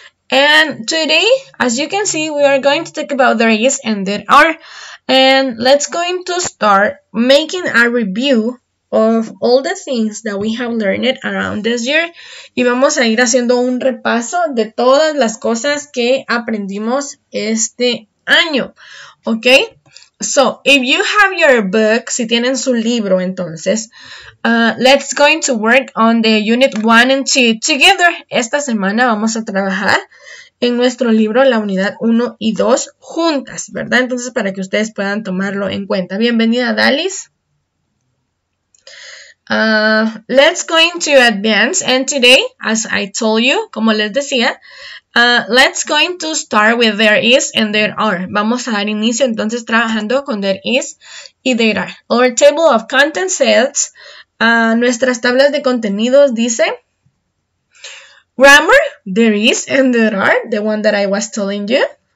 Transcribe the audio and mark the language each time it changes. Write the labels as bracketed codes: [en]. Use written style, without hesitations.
[en] And today, as you can see, we are going to talk about there is and there are. And let's going to start making a review of all the things that we have learned around this year. [es] Y vamos a ir haciendo un repaso de todas las cosas que aprendimos este año. [en] Ok. So, if you have your book, [es] si tienen su libro, entonces, [en] let's going to work on the unit 1 and 2 together. [es] Esta semana vamos a trabajar en nuestro libro la unidad 1 y 2 juntas, ¿verdad? Entonces, para que ustedes puedan tomarlo en cuenta. Bienvenida, Dalis. [en] Let's going to advance, and today, as I told you, [es] como les decía, [en] let's going to start with there is and there are. [es] Vamos a dar inicio entonces trabajando con there is y there are. [en] Our table of contents says, [es] nuestras tablas de contenidos dice, [en] grammar, there is and there are, the one that I was telling you.